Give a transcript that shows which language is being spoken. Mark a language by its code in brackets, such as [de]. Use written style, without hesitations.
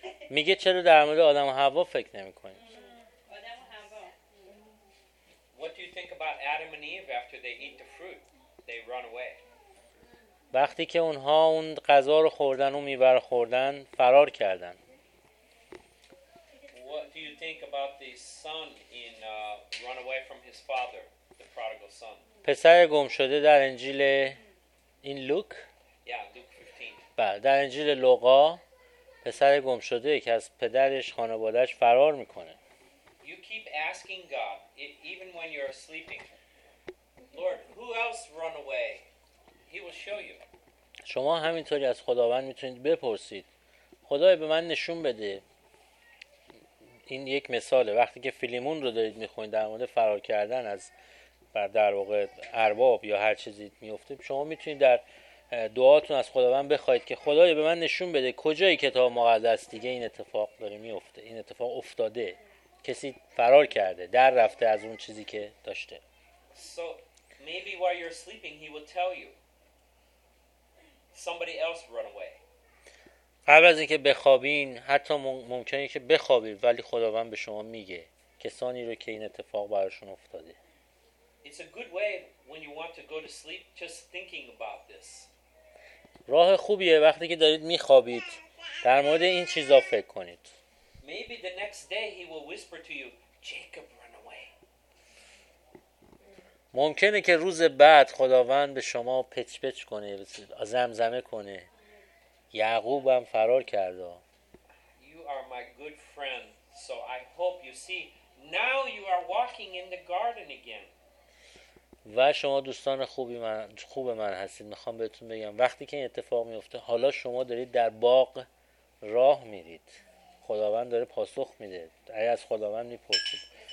[fa] میگه چرا در مورد آدم و حوا فکر نمی‌کنی؟ [en] What do you think about Adam and Eve after they eat the fruit? They run away. [fa] وقتی که اونها اون غذا رو خوردن، اون میوه رو خوردن، فرار کردن. [en] What do you think about the son in run away from his father, the prodigal son? [fa] پسر گم شده در انجیل این لوک؟ [en] Yeah, Luke 15. [fa] بله، در انجیل لوقا پسر گم شده که از پدرش، خانواده‌اش فرار میکنه. [en] You keep asking God, even when you are sleeping, Lord, who else run away? He will show you. [fa] شما همینطوری از خداوند میتونید بپرسید، خدای به من نشون بده. این یک مثاله. وقتی که فیلمون رو دارید میخونید در مورد فرار کردن از بر در واقع ارباب یا هر چیزی میفته، شما میتونید در دعاتون از خداوند بخواید که خدای به من نشون بده کجای کتاب مقدس دیگه این اتفاق داره میفته، این اتفاق افتاده، کسی فرار کرده، در رفته از اون چیزی که داشته. [en] So maybe while you're sleeping he will tell you somebody else run away. [fa] قبل از اینکه بخوابین، حتی ممکنه که بخوابید ولی خداوند به شما میگه کسانی رو که این اتفاق براشون افتاده. [en] It's a good way when you want to go to sleep just thinking about this. [fa] راه خوبیه وقتی که دارید میخوابید در مورد این چیزا فکر کنید. [en] Maybe the next day he will whisper to you, Jacob ran away. [fa] ممکنه که روز بعد خداوند به شما پچ پچ کنه، زمزمه کنه، یعقوب هم فرار کرده. [en] You are my good friend, so I hope you see now you are walking in the garden again. [fa] و شما دوستان خوب من هستید. میخوام بهتون بگم وقتی که این اتفاق میفته، حالا شما دارید در باغ راه میرید، خداوند داره پاسخ میده، اگه از خداوند میپرسید.